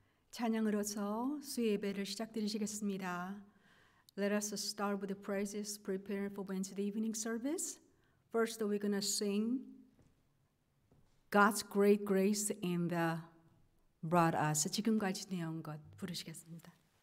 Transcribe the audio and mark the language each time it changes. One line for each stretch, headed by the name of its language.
Korean: 찬양으로서 수예배를 시작드리시겠습니다.
English: Let us start with the praises preparing for Wednesday evening service. First, we're going to sing God's great grace in the brought us.
Korean: 지금까지 내온 것 부르시겠습니다.